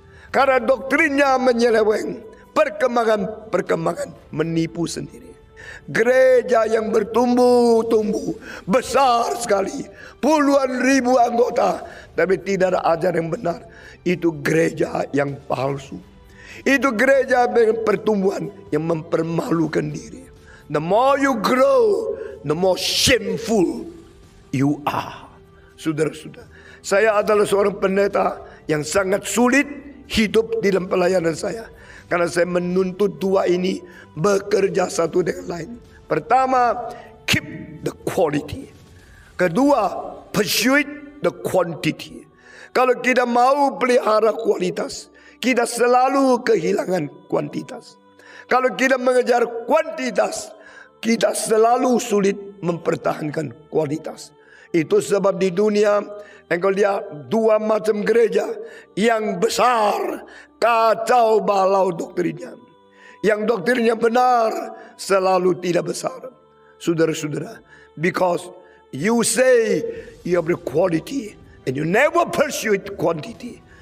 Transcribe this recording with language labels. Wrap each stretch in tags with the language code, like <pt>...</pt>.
<id>Karena doktrinnya menyeleweng. Perkembangan-perkembangan menipu sendiri. Gereja yang bertumbuh-tumbuh besar sekali, puluhan ribu anggota, tapi tidak ada ajaran yang benar, itu gereja yang palsu. Itu gereja dengan pertumbuhan yang mempermalukan diri.</id> <en>The more you grow, the more shameful you are.</en> <id>Saudara-saudara, saya adalah seorang pendeta yang sangat sulit hidup di dalam pelayanan saya. Karena saya menuntut dua ini bekerja satu dengan lain.</id> <en>Pertama, keep the quality. Kedua, pursue the quantity.</en> <id>Kalau kita mau pelihara kualitas, kita selalu kehilangan kuantitas. Kalau kita mengejar kuantitas, kita selalu sulit mempertahankan kualitas. Itu sebab di dunia, engkau lihat dua macam gereja yang besar, kacau balau doktrinnya. Yang doktrinnya benar selalu tidak besar.</id> <en>Saudara-saudara, because you say you have quality and you never pursue quantity.</en>